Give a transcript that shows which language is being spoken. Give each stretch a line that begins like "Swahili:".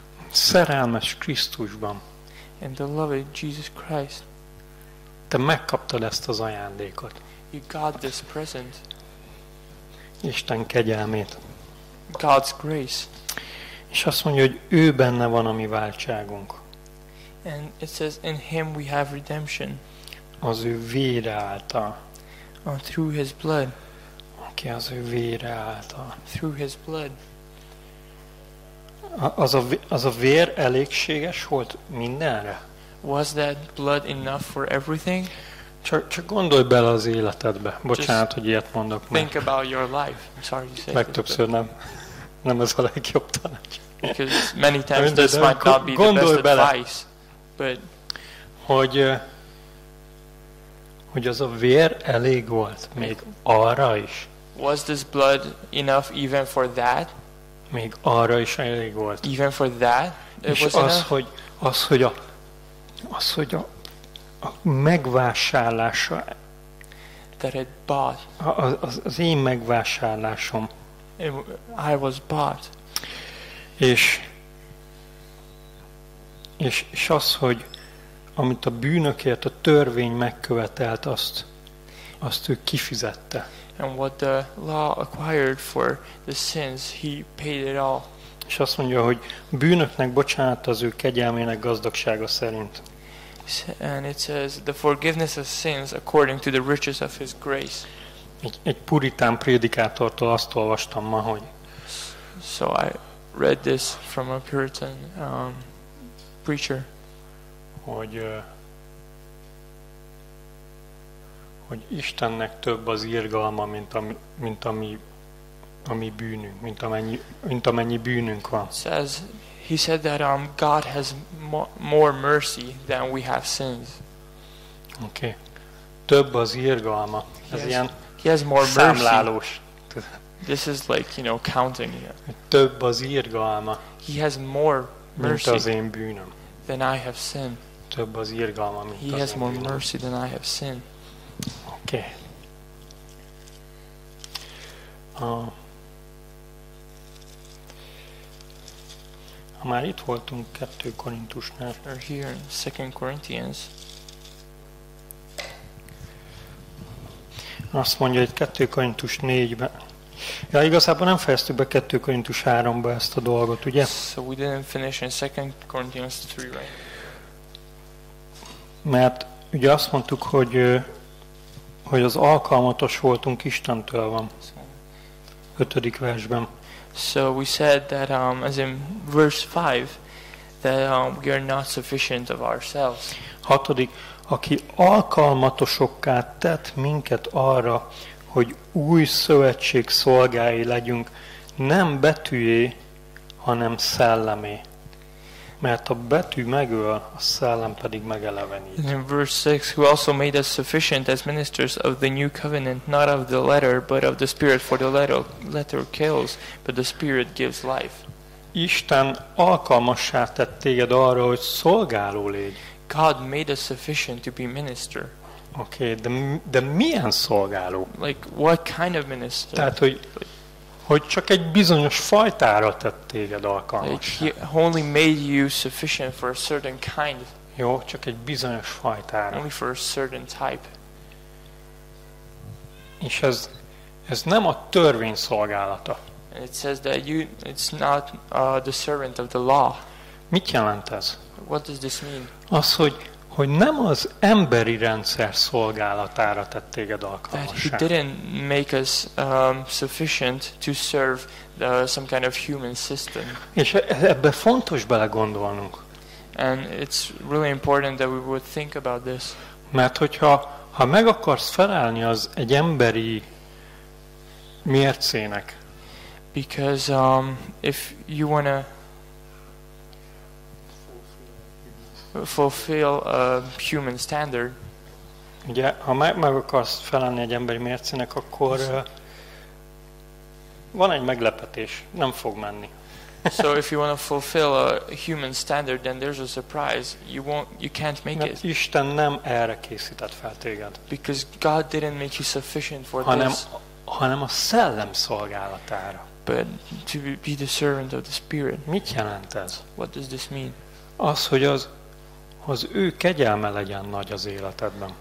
Hungarian: Szerelmes Krisztusban.
English: In the loved Jesus Christ.
Hungarian: Te megkaptad ezt az ajándékot.
English: You got this present.
Hungarian: Isten kegyelmét.
English: God's grace.
Hungarian: És azt mondja, hogy ő benne van a mi váltságunk.
English: And it says, in him we have redemption.
Hungarian: Az ő vére által.
English: Or through his blood.
Hungarian: Aki az ő vére által.
English: Through his blood.
Hungarian: Az a vér elégséges volt mindenre?
English: Was that blood enough for everything?
Hungarian: Csak gondolj bele az életedbe. Bocsánat,
English: just
Hungarian: hogy ilyet mondok.
English: Think
Hungarian: meg
English: about your life. I'm sorry you say
Hungarian: megtöbbször
English: this,
Hungarian: nem az a legjobb tanács.
English: Because many times
Hungarian: mindegy,
English: this might not be
Hungarian: gondolj
English: the best advice.
Hungarian: Bele,
English: but
Hungarian: hogy az a vér elég volt még arra is.
English: Was this blood enough even for that?
Hungarian: Még arra is elég volt.
English: Even for that?
Hungarian: És az, hogy a megvásárlása,
English: that it bought,
Hungarian: az én megvásárlásom.
English: I was bought.
Hungarian: És az, hogy amit a bűnökért a törvény megkövetelt, azt ő kifizette.
English: And what the law acquired for the sins, he paid it all.
Hungarian: És azt mondja, hogy bűnöknek bocsánat az ő kegyelmének gazdagsága szerint.
English: And it says the forgiveness of sins according to the riches of his grace.
Hungarian: Egy puritán prédikátortól azt olvastam ma, hogy
English: so I read this from a Puritan preacher.
Hungarian: Hogy Istennek több az irgalma, mint ami bűnünk, mint amennyi bűnünk van.
English: He said that God has more mercy than we have sins.
Hungarian: Okay. Több az irgalma. Ez ilyen.
English: He has more
Hungarian: számlálós.
English: Mercy. This is like, you know, counting.
Hungarian: Több az irgalma.
English: He has more mercy.
Hungarian: Mint az én bűnöm.
English: Than I have sin.
Hungarian: Több az irgalma, mint
English: he
Hungarian: az
English: has more
Hungarian: bűnöm.
English: Mercy than I have sin. Okay.
Hungarian: Ha már itt voltunk 2 Korintusnál.
English: We're here in 2 Corinthians.
Hungarian: Azt mondja, hogy 2 Korintus 4-ben. Ja, igazából nem fejeztük be 2 Korintus 3-ba ezt a dolgot, ugye?
English: So we didn't finish in 2 Corinthians 3, right?
Hungarian: Mert ugye azt mondtuk, hogy az alkalmatos voltunk Istentől van. ötödik versben.
English: So we said that as in verse 5 that we are not sufficient of ourselves.
Hungarian: Hatodik, aki alkalmatosokká tett minket arra, hogy új szövetség szolgái legyünk, nem betűjé, hanem szellemé. Mert a betű megöl, a szellem pedig megelevenít.
English: In verse 6, who also made us sufficient as ministers of the new covenant, not of the letter, but of the spirit, for the letter kills, but the spirit gives life.
Hungarian: Isten alkalmassá tett téged arra, hogy szolgáló légy.
English: God made us sufficient to be minister.
Hungarian: Okay, de milyen szolgáló?
English: Like, what kind of minister?
Hungarian: Tehát, hogy csak egy bizonyos fajtára tett téged alkalmassá.
English: Like he only made you sufficient for a certain kind.
Hungarian: Jó, csak egy bizonyos fajtára.
English: Only for a certain type.
Hungarian: És ez nem a törvény szolgálata.
English: And it says that it's not the servant of the law.
Hungarian: Mit jelent ez?
English: What does this mean?
Hungarian: Az, hogy nem az emberi rendszer szolgálatára tett téged alkalmassá.
English: That he didn't make us sufficient to serve some kind of human system.
Hungarian: És ebbe fontos belegondolnunk.
English: And it's really important that we would think about this.
Hungarian: Mert hogyha meg akarsz felelni az egy emberi mércének.
English: Because if you want to fulfill a human standard.
Hungarian: Ugye, ha meg akarsz felelni egy emberi mércének, akkor van egy meglepetés, nem fog menni.
English: So if you want to fulfill a human standard, then there's a surprise. You can't make it.
Hungarian: Isten nem erre készített fel téged.
English: Because God didn't make you sufficient for this.
Hungarian: Hanem a szellem szolgálatára.
English: But to be the servant of the Spirit.
Hungarian: Mit jelent ez?
English: What does this mean?
Hungarian: Az, hogy az ő kegyelme legyen nagy az életedben.